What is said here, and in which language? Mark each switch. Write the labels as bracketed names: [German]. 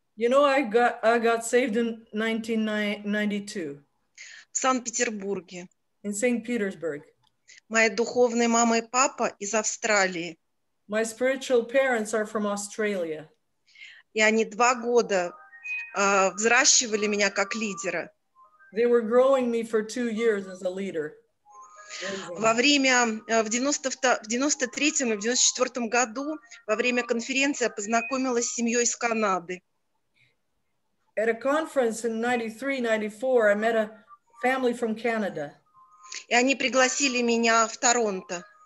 [English] You know, I got saved in 1992. [Russian] В Санкт-Петербурге. [English] In St. Petersburg. [Russian] Моя духовная мама и папа из Австралии. [English] My spiritual parents are from Australia. [Russian] И они два года взращивали меня как лидера. [English] They were growing me for 2 years as a leader. [Russian] Во время, в 93-м и в 94-м году, во время конференции, я познакомилась с семьей из Канады. [English] At a conference in 93-94, I met a family from Canada. [Russian] И они пригласили меня в Торонто.